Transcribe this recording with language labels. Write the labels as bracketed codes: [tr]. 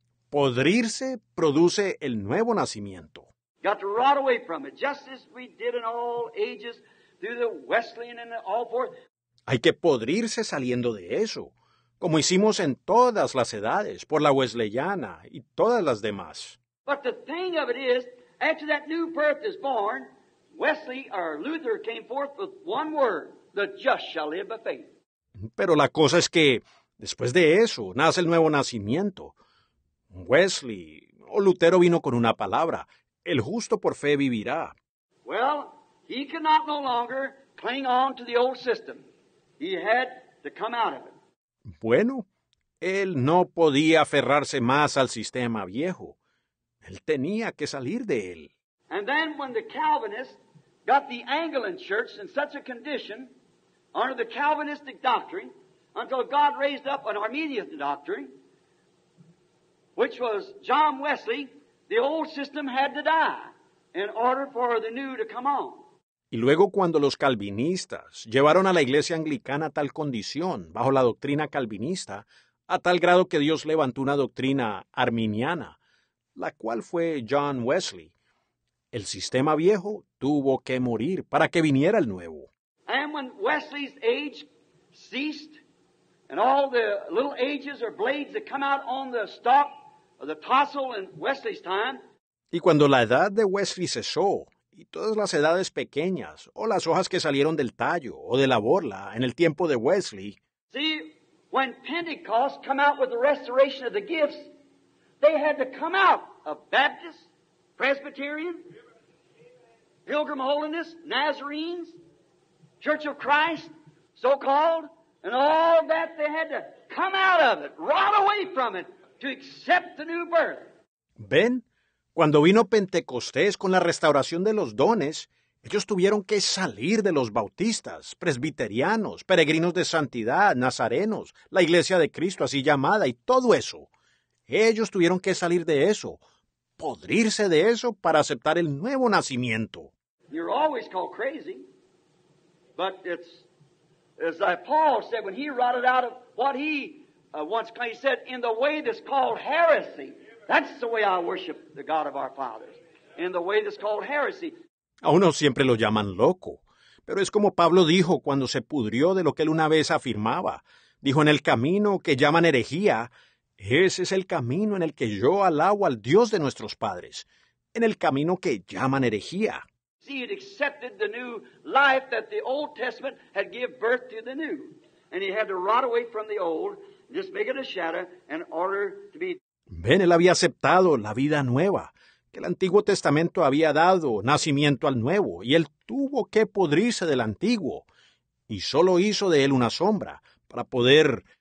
[es] Podrirse produce el nuevo nacimiento. [en] Got to rot away from it, just as we did in all ages through the Wesleyan and all forth. [es] Hay que podrirse saliendo de eso, como hicimos en todas las edades, por la Wesleyana y todas las demás. [en] But the thing of it is, after that new birth is born, Wesley or Luther came forth with one word, the just shall live by faith. [es] Pero la cosa es que después de eso nace el nuevo nacimiento. Wesley o Lutero vino con una palabra, el justo por fe vivirá. [en] Well, he cannot no longer cling on to the old system. He had to come out of it. [es] Bueno, él no podía aferrarse más al sistema viejo. Él tenía que salir de él. [en] And then when the Calvinists got the Anglican Church in such a condition under the Calvinistic doctrine, until God raised up an Arminian doctrine, which was John Wesley, the old system had to die in order for the new to come on. [es] Y luego cuando los calvinistas llevaron a la iglesia anglicana a tal condición, bajo la doctrina calvinista, a tal grado que Dios levantó una doctrina arminiana, la cual fue John Wesley, el sistema viejo tuvo que morir para que viniera el nuevo. [en] And when Wesley's age ceased, and all the little ages or blades that come out on the stalk or the tassel in Wesley's time. [es] Y cuando la edad de Wesley cesó, y todas las edades pequeñas, o las hojas que salieron del tallo o de la borla en el tiempo de Wesley. [en] See, when Pentecost come out with the restoration of the gifts, they had to come out of Baptist, Presbyterian, Pilgrim Holiness, Nazarenes, Church of Christ, so-called, and all that, they had to come out of it, rot away from it, to accept the new birth. [es] Ben, cuando vino Pentecostés con la restauración de los dones, ellos tuvieron que salir de los bautistas, presbiterianos, peregrinos de santidad, nazarenos, la iglesia de Cristo así llamada y todo eso. Ellos tuvieron que salir de eso, podrirse de eso para aceptar el nuevo nacimiento. [en] You're always called crazy. But it's, as Paul said, when he rotted out of what he once claimed, he said, in the way that's called heresy. That's the way I worship the God of our fathers. In the way that's called heresy. [es] A uno siempre lo llaman loco. Pero es como Pablo dijo cuando se pudrió de lo que él una vez afirmaba. Dijo, en el camino que llaman herejía, ese es el camino en el que yo alabo al Dios de nuestros padres. En el camino que llaman herejía. [en] See, he accepted the new life that the Old Testament had given birth to the new. And he had to rot away from the old, just make it a shadow, in order to be... [es] Ben, él había aceptado la vida nueva, que el Antiguo Testamento había dado nacimiento al nuevo, y él tuvo que podrirse del antiguo, y solo hizo de él una sombra, para poder...